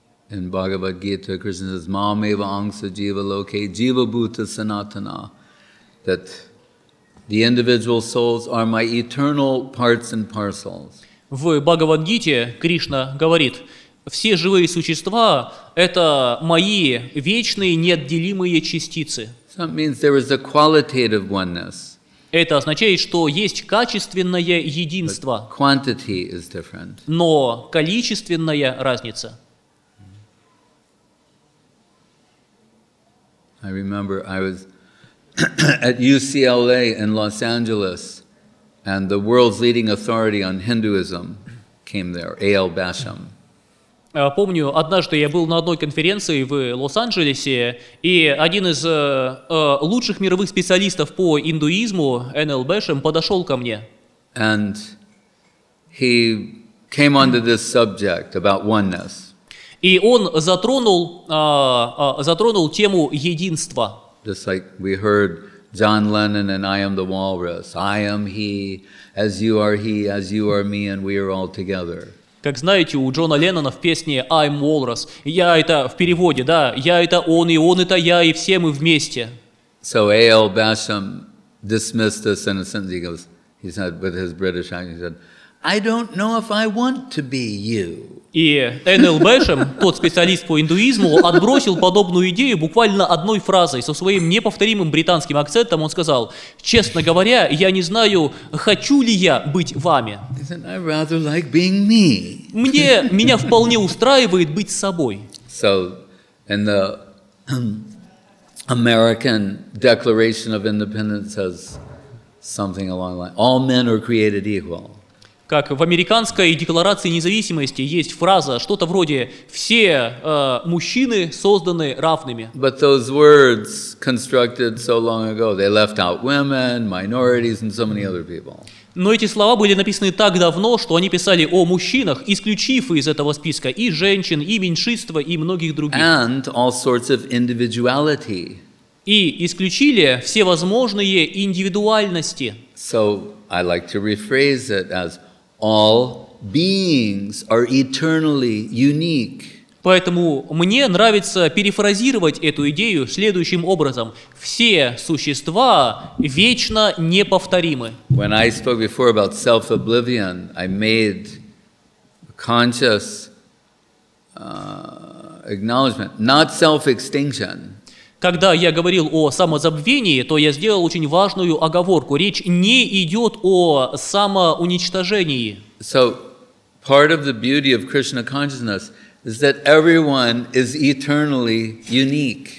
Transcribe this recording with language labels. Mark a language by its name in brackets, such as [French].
[English] In Bhagavad Gita, Krishna says, [Sanskrit] "Mam eva angsa jiva loke jiva bhuta sanatana," [English] that the individual souls are my eternal parts and parcels. [Russian] В Бхагавад Гите Кришна говорит, все живые существа это мои вечные неотделимые частицы. [English] That means there is a qualitative oneness. [Russian] Это означает, что есть качественное единство. [English] But quantity is different. [Russian] Но количественная разница. [English] I remember I was at UCLA in Los Angeles, and the world's leading authority on Hinduism came there, A.L. Basham. [Russian] Помню, однажды я был на одной конференции в Лос-Анджелесе, и один из лучших мировых специалистов по индуизму, N.L. Basham, подошел ко мне. [English] And he came onto this subject about oneness. [Russian] И он затронул тему единства. [English] Just like we heard John Lennon and I am the walrus. I am he, as you are me, and we are all together. [Russian] Как знаете, у Джона Леннона в песне I'm walrus. Я это в переводе, да. Я это он это я, и все мы вместе. [English] So A.L. Basham dismissed this in a sentence. He said, with his British accent, he said, I don't know if I want to be you. [Russian] И Н.Л. Бэшем, тот специалист по индуизму, отбросил подобную идею буквально одной фразой. Со своим неповторимым британским акцентом он сказал, «Честно говоря, я не знаю, хочу ли я быть вами». [English] I'd rather like being me. [Russian] Меня вполне устраивает быть собой. [English] So, in the American Declaration of Independence says something along the line, all men are created equal. [Russian] Как в американской декларации независимости есть фраза, что-то вроде «все мужчины созданы равными». [English] But those words constructed so long ago, they left out women, minorities, and so many other people. [Russian] Но эти слова были написаны так давно, что они писали о мужчинах, исключив из этого списка и женщин, и меньшинства, и многих других. [English] And all sorts of individuality. [Russian] И исключили все возможные индивидуальности. [English] So I like to rephrase it as all beings are eternally unique. [Russian] Поэтому мне нравится перефразировать эту идею следующим образом. Все существа вечно неповторимы. [English] When I spoke before about self-oblivion, I made conscious acknowledgement, not self-extinction. [Russian] Когда я говорил о самозабвении, то я сделал очень важную оговорку. Речь не идет о самоуничтожении. [English] So, part of the beauty of Krishna consciousness is that everyone is eternally unique.